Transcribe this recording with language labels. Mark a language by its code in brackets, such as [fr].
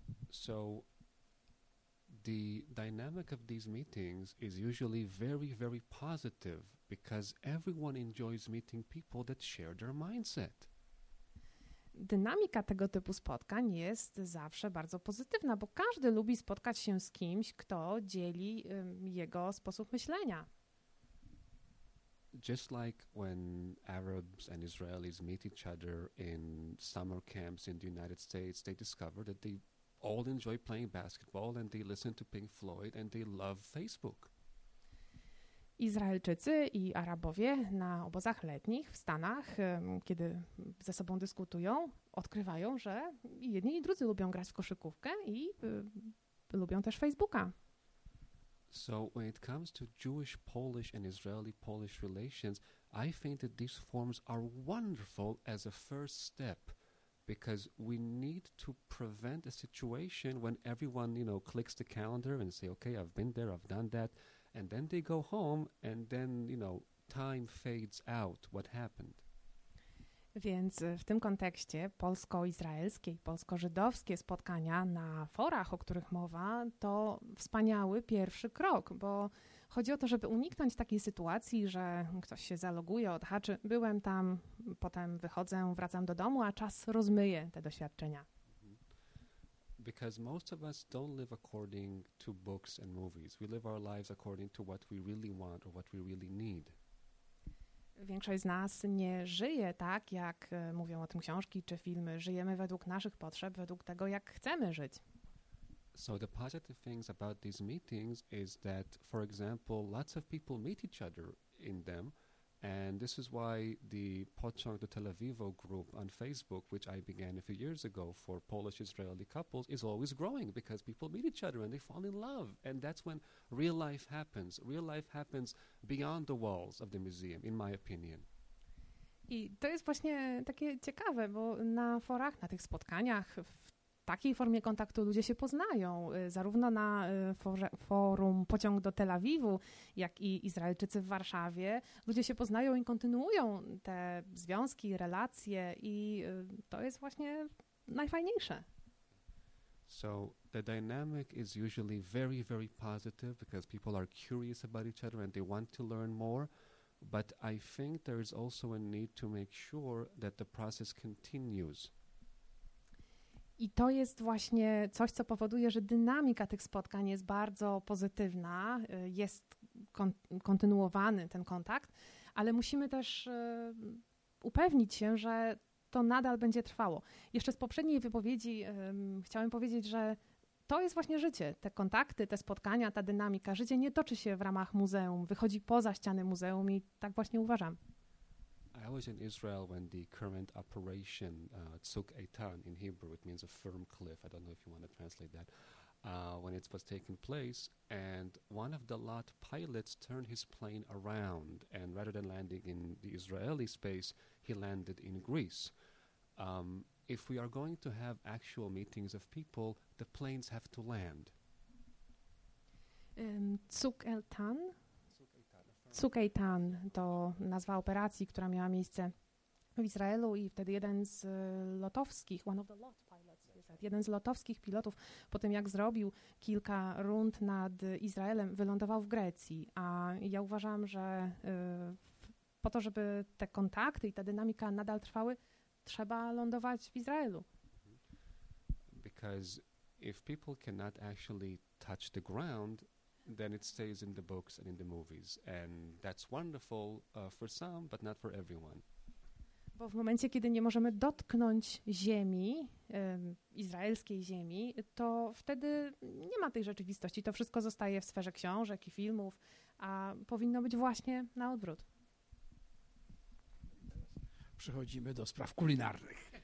[en] So the dynamic of these meetings is usually very, very positive because everyone enjoys meeting people that share their mindset. [pl] Dynamika tego typu spotkań jest zawsze bardzo pozytywna, bo każdy lubi spotkać się z kimś, kto dzieli jego sposób myślenia. [en] Just like when Arabs and Israelis meet each other in summer camps in the United States, they discover that they all enjoy playing basketball and they listen to Pink Floyd and they love Facebook. [pl] Izraelczycy i Arabowie na obozach letnich w Stanach, kiedy ze sobą dyskutują, odkrywają, że jedni i drudzy lubią grać w koszykówkę i lubią też Facebooka. [en] So when it comes to Jewish-Polish and Israeli-Polish relations, I think that these forms are wonderful as a first step, because we need to prevent a situation when everyone, you know, clicks the calendar and say, okay, I've been there, I've done that, and then they go home, and then, you know, time fades out, what happened. [pl] Więc w tym kontekście polsko-izraelskie i polsko-żydowskie spotkania na forach, o których mowa, to wspaniały pierwszy krok, bo chodzi o to, żeby uniknąć takiej sytuacji, że ktoś się zaloguje, odhaczy, byłem tam, potem wychodzę, wracam do domu, a czas rozmyje te doświadczenia. [en] Because most of us don't live according to books and movies. We live our lives according to what we really want or what we really need. [pl] Większość z nas nie żyje tak, jak mówią o tym książki czy filmy. Żyjemy według naszych potrzeb, według tego, jak chcemy żyć. [en] So the positive things about these meetings is that, for example, lots of people meet each other in them. And this is why the Pociąg do Tel Avivo group on Facebook, which I began a few years ago for Polish-Israeli couples, is always growing, because people meet each other and they fall in love. And that's when real life happens. Real life happens beyond the walls of the museum, in my opinion. [pl] I to jest właśnie takie ciekawe, bo na forach, na tych spotkaniach, w takiej formie kontaktu ludzie się poznają. Zarówno na forum Pociąg do Tel Awiwu, jak i Izraelczycy w Warszawie, ludzie się poznają i kontynuują te związki, relacje, i to jest właśnie najfajniejsze. [en] So the dynamic is usually very, very positive, because people are curious about each other and they want to learn more. But I think there is also a need to make sure that the process continues. [pl] I to jest właśnie coś, co powoduje, że dynamika tych spotkań jest bardzo pozytywna, jest kontynuowany ten kontakt, ale musimy też upewnić się, że to nadal będzie trwało. Jeszcze z poprzedniej wypowiedzi chciałem powiedzieć, że to jest właśnie życie, te kontakty, te spotkania, ta dynamika. Życie nie toczy się w ramach muzeum, wychodzi poza ściany muzeum, i tak właśnie uważam. [en] I was in Israel when the current operation, Tzuk Eitan in Hebrew, it means a firm cliff, I don't know if you want to translate that, when it was taking place, and one of the LOT pilots turned his plane around, and rather than landing in the Israeli space, he landed in Greece. If we are going to have actual meetings of people, the planes have to land. [he] Tzuk Eitan? [pl] Tzuk Eitan to nazwa operacji, która miała miejsce w Izraelu, i wtedy jeden z lotowskich, [en] one of the LOT pilots, [pl] jeden z lotowskich pilotów, po tym jak zrobił kilka rund nad Izraelem, wylądował w Grecji. A ja uważam, że po to, żeby te kontakty i ta dynamika nadal trwały, trzeba lądować w Izraelu. [en] Because if people cannot actually touch the ground, then it stays in the books and in the movies. And that's wonderful for some, but not for everyone. [pl] Bo w momencie, kiedy nie możemy dotknąć ziemi, izraelskiej ziemi, to wtedy nie ma tej rzeczywistości. To wszystko zostaje w sferze książek i filmów, a powinno być właśnie na odwrót. Przechodzimy do spraw kulinarnych.